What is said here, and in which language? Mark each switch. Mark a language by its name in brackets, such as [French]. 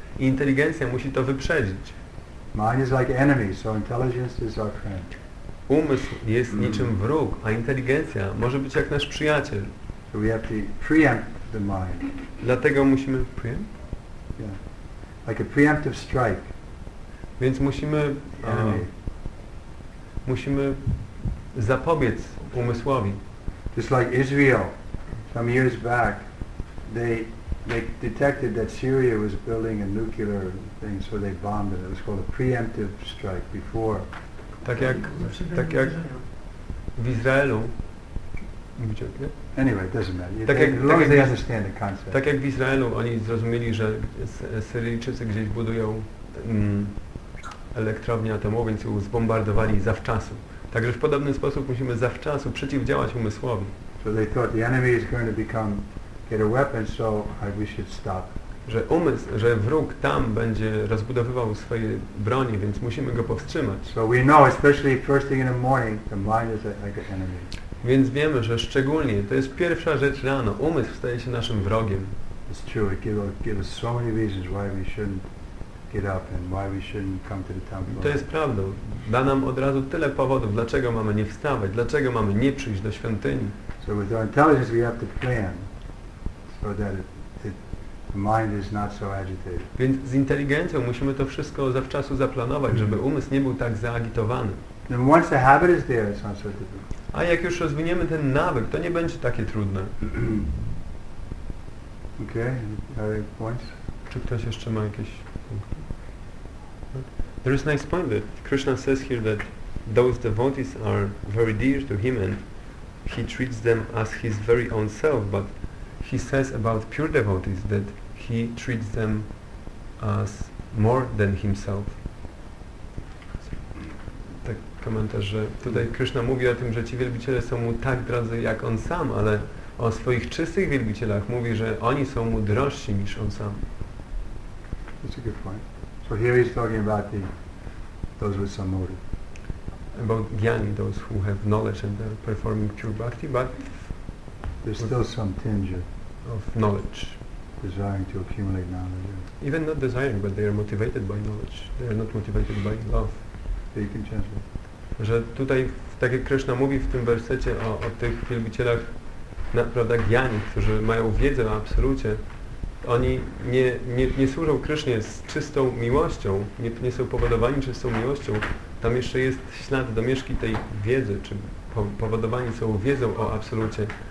[Polish] Inteligencja musi to wyprzedzić. [English] Mind is like enemy, so intelligence is our friend. [Polish] Umysł jest niczym wróg, a inteligencja może być jak nasz przyjaciel. [English] So we have to preempt the mind. [Polish] Dlatego musimy preempt? [English] Yeah. Like a preemptive strike. [Polish] Więc musimy musimy zapobiec umysłowi. [English] Just like Israel, some years back, they detected that Syria was building a nuclear thing, so they bombed it. It was called a preemptive strike before. [Polish] Tak jak w Izraelu mówić o tym. [English] Anyway, it doesn't matter. Tak, they understand the concept. [Polish] Tak jak w Izraelu oni zrozumieli, że Syryjczycy gdzieś budują elektrownie atomowe, więc ją zbombardowali zawczasu. Także w podobny sposób musimy zawczasu przeciwdziałać umysłowi. [English] So they thought the enemy is going to become get a weapon, so we should stop. [Polish] Że umysł, że wróg tam będzie rozbudowywał swoje broni, więc musimy go powstrzymać. [English] So we know, especially first thing in the morning, the mind is like an enemy. [Polish] Więc wiemy, że szczególnie to jest pierwsza rzecz rano, umysł staje się naszym wrogiem. [English] It's true. It gives so many reasons why we shouldn't get up and why we shouldn't come to the temple. [Polish] To jest prawda. Da nam od razu tyle powodów, dlaczego mamy nie wstawać, dlaczego mamy nie przyjść do świątyni. [English] So with our intelligence we have to plan so that the mind is not so agitated. [Polish] Więc z inteligencją musimy to wszystko zawczasu zaplanować, żeby umysł nie był tak zaagitowany. [English] And once the habit is there, it's not so difficult. [Polish] A jak już rozwiniemy ten nawyk, to nie będzie takie trudne. [English] Okay, other points? [Polish] Czy ktoś jeszcze ma jakieś... [English] There is a nice point that Krishna says here that those devotees are very dear to him and he treats them as his very own self, but he says about pure devotees that he treats them as more than himself. [Polish] Tak komentarz, że tutaj Krishna mówi o tym, że ci wielbiciele są mu tak drodzy jak on sam, ale o swoich czystych wielbicielach mówi, że oni są mu drożsi niż on sam. [English] That's a good point. So here he's talking about the those with some motive. About jnani, those who have knowledge and are performing pure bhakti, but there's still some tinge of knowledge. Desiring to accumulate knowledge. Even not desiring, but they are motivated by knowledge. They are not motivated by love. So you can translate. [Polish] Że tutaj, tak jak Krishna mówi w tym wersecie o tych wielbicielach, prawda, jnani, którzy mają wiedzę o absolucie. Oni nie służą Krysznie z czystą miłością, nie są powodowani czystą miłością. Tam jeszcze jest ślad domieszki tej wiedzy, czy powodowani są wiedzą o absolucie.